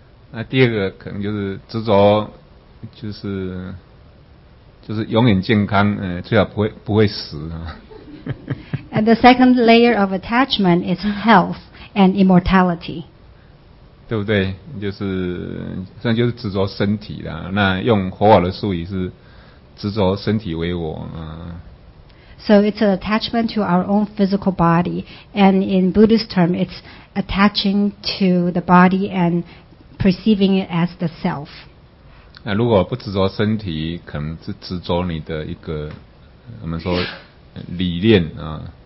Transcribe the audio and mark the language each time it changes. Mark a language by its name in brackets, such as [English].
[Chinese] 那第二个可能就是执着，就是永远健康，最好不会死啊。 [English] And the second layer of attachment is health and immortality. [Chinese] 对不对？就是这就是执着身体啦。那用佛法的术语是执着身体为我。 [English] So it's an attachment to our own physical body, and in Buddhist term, it's attaching to the body and perceiving it as the self. [Chinese] 那如果不执着身体，可能是执着你的一个我们说理念啊。